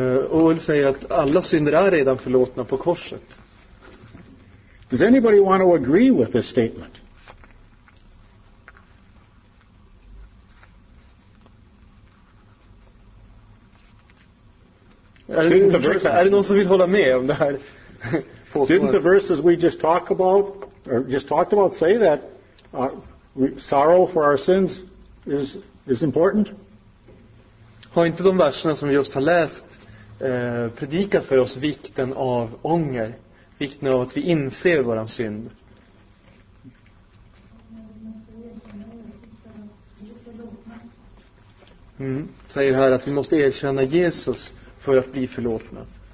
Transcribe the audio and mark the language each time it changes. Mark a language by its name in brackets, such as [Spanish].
[Swedish] Och Ulf säger att alla synder är redan förlåtna på korset. [English] Does anybody want to agree with this statement? [Swedish] Är det någon som vill hålla med om det här? [English] Didn't the verses we just talked about or just talked about say that sorrow for our sins is important? [Swedish] Har inte de verserna som vi just har läst predikat för oss vikten av ånger, vikten av att vi inser våran synd? Mm. Säger här att vi måste erkänna Jesus för att bli förlåtna.